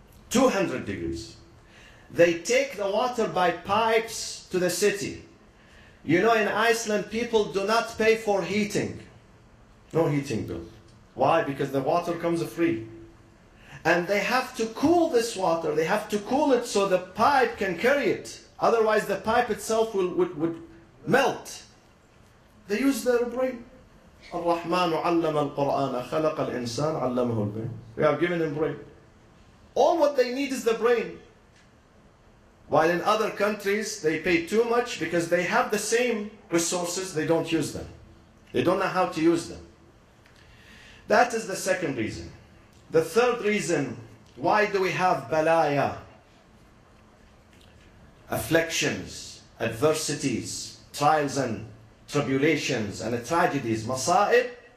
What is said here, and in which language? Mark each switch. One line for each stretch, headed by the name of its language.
English: 200 degrees. They take the water by pipes to the city. You know, in Iceland, people do not pay for heating. No heating bill. Why? Because the water comes free. And they have to cool this water. They have to cool it so the pipe can carry it. Otherwise the pipe itself would melt. They use their brain.
Arabic: الرحمن علم القرآن خلق الإنسان علمه البين.
English: We have given them brain. All what they need is the brain. While in other countries they pay too much because they have the same resources, they don't use them. They don't know how to use them. That is the second reason. The third reason, why do we have balaya, afflictions, adversities, trials and tribulations and tragedies, masa'ib?